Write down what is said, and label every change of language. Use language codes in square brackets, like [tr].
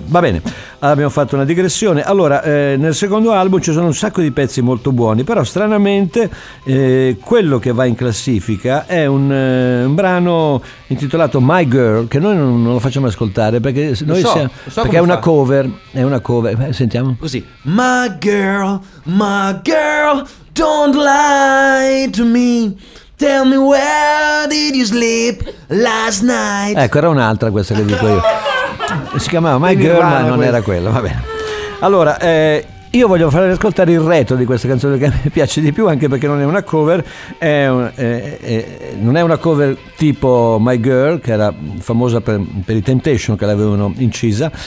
[it] Va bene, abbiamo fatto una digressione. Allora, nel secondo album ci sono un sacco di pezzi molto buoni, però stranamente quello che va in classifica è un brano intitolato My Girl, che noi non lo facciamo ascoltare perché è una cover. Sentiamo così: [en] My girl, don't lie to me, tell me where did you sleep last night. [it] Ecco, era un'altra questa che dico io. Si chiamava My Girl, ma non era quello. Va bene. Allora, io voglio farvi ascoltare il retro di questa canzone, che mi piace di più, anche perché non è una cover. Non è una cover tipo My Girl, che era famosa per i Temptation, che l'avevano incisa.